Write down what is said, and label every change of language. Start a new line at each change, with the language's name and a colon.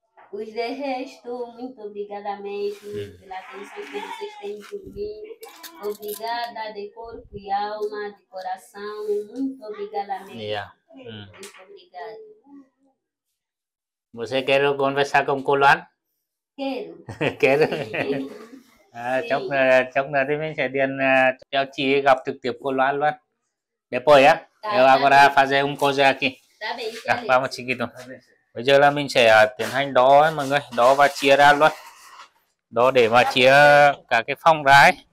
Portuguese: Os de resto, muito obrigada mesmo pela atenção que vocês têm por mim. Obrigada de corpo e alma, de coração. Muito obrigada mesmo. Muito obrigada. Você quer conversar com o Colan? Quero. Quero.
Vietnamese: À, chốc
Portuguese: Sim.
Vietnamese: nữa thì mình sẽ điền cho chị gặp trực tiếp cô Loan luôn.
Portuguese: Depois á, eu agora fazer um coisa aqui. Tá bem, tá, vamos seguindo.
Vietnamese: Bây giờ là mình sẽ tiến hành đo ấy, mọi người, đo và chia ra luôn. Đo để mà chia cả cái phòng ra ấy.